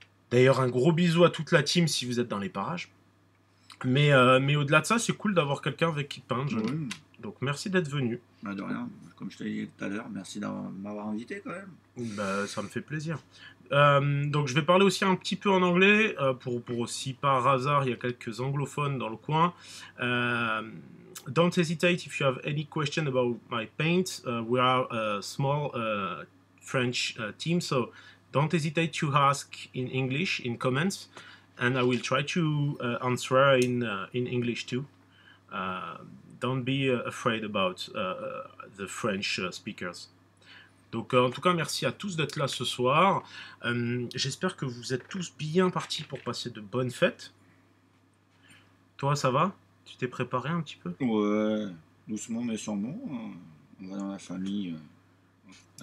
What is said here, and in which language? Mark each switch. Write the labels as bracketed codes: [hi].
[fr] D'ailleurs, un gros bisou à toute la team si vous êtes dans les parages. Mais au-delà de ça, c'est cool d'avoir quelqu'un avec qui peindre. Oui. Donc, merci d'être venu. Bah de rien, comme je te l'ai dit tout à l'heure, merci de m'avoir invité quand même. Ben, ça me fait plaisir. Donc, je vais parler aussi un petit peu en anglais, pour si par hasard il y a quelques anglophones dans le coin. [en] Don't hesitate if you have any question about my paint. We are a small French team, so don't hesitate to ask in English, in comments. And I will try to answer in English too. Don't be afraid about the French speakers. [fr] Donc, en tout cas, merci à tous d'être là ce soir. J'espère que vous êtes tous bien partis pour passer de bonnes fêtes. Toi, ça va? Tu t'es préparé un petit peu? Ouais, doucement mais sûrement. On va dans la famille à